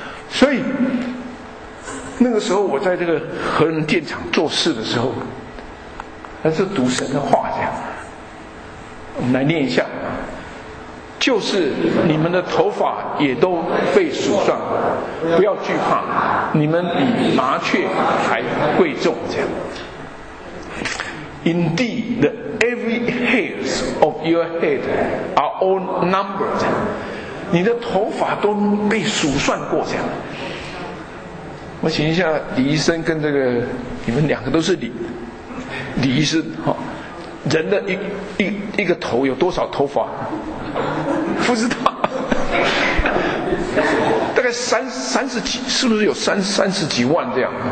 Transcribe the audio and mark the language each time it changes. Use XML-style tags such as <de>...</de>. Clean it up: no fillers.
<zh>所以那个时候我在这个核能电厂做事的时候，还是读神的话这样。我们来念一下，就是你们的头发也都被数算，不要惧怕，你们比麻雀还贵重这样。</zh> <en>Indeed, the every hairs of your head are all numbered.</en> <zh>你的头发都被数算过这样。我请一下李医生跟这个，你们两个都是李医生哈。人的一个头有多少头发？不知道，大概三十几，是不是有三十几万这样？</zh>